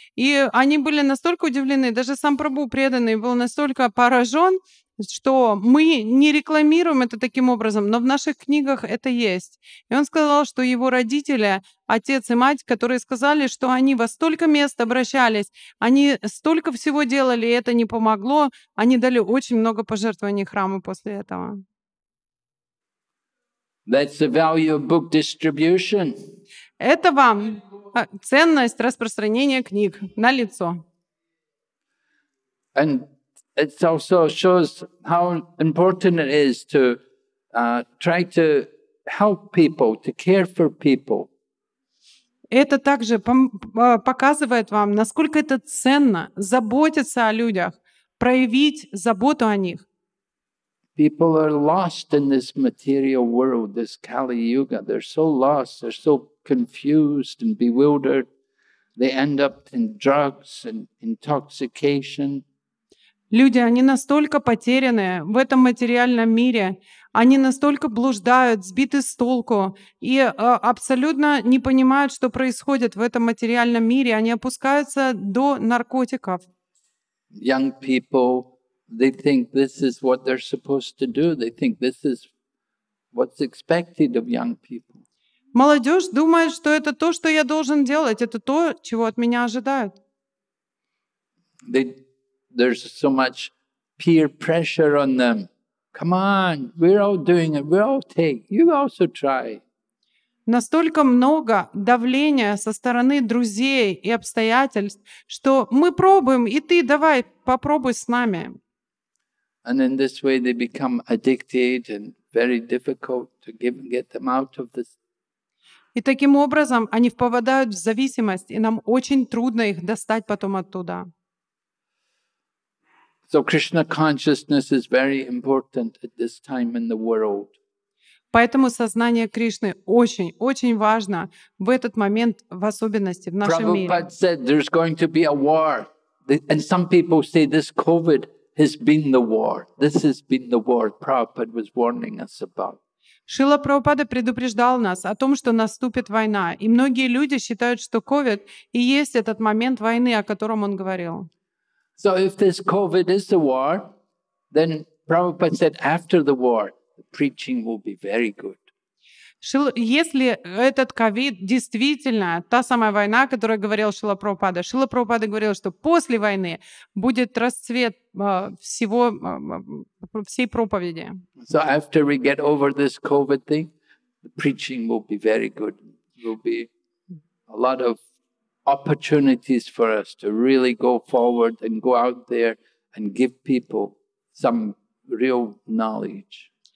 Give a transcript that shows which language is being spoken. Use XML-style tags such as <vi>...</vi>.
<ru>И они были настолько удивлены, даже сам Прабу преданный был настолько поражен, что мы не рекламируем это таким образом, но в наших книгах это есть. И он сказал, что его родители, отец и мать, которые сказали, что они во столько мест обращались, они столько всего делали, и это не помогло, они дали очень много пожертвований храму после этого.</ru> <en>That's the value of book distribution.</en> <ru>Это вам ценность распространения книг налицо.</ru> <en>And it also shows how important it is to try to help people, to care for people.</en> <ru>Это также показывает вам, насколько это ценно заботиться о людях, проявить заботу о них.</ru> <en>People are lost in this material world, this Kali Yuga. They're so lost, they're so confused and bewildered. They end up in drugs and intoxication.</en> <ru>Люди, они настолько потеряны в этом материальном мире, они настолько блуждают, сбиты с толку и абсолютно не понимают, что происходит в этом материальном мире. Они опускаются до наркотиков.</ru> <en>Young people, they think this is what they're supposed to do. They think this is what's expected of young people.</en> <ru>Молодежь думает, что это то, что я должен делать, это то, чего от меня ожидают.</ru> <en>There's so much peer pressure on them. Come on, we're all doing it. We all take. You also try.</en> <ru>Настолько много давления со стороны друзей и обстоятельств, что мы пробуем, и ты давай попробуй с нами.</ru> <en>And in this way, they become addicted and very difficult to get them out of this.</en> <ru>И таким образом они впадают в зависимость, и нам очень трудно их достать потом оттуда.</ru> <en>So Krishna consciousness is very important at this time in the world.</en> <ru>Поэтому сознание Кришны очень, очень важно в этот момент, в особенности в нашем мире.</ru> <en>Prabhupada said there's going to be a war, and some people say this COVID has been the war. This has been the war Prabhupada was warning us about.</en> <ru>Шрила Прабхупада предупреждал нас о том, что наступит война, и многие люди считают, что COVID и есть этот момент войны, о котором он говорил.</ru> <en>So if this COVID is a war, then Prabhupada said after the war, the preaching will be very good.</en> <ru>Если этот COVID действительно та самая война, о которой говорил Шрила Прабхупада говорил, что после войны будет расцвет всей проповеди.</ru> <en>So after we get over this COVID thing, the preaching will be very good. There will be a lot of opportunities for us to really go forward and go out there and give people some real knowledge.</en>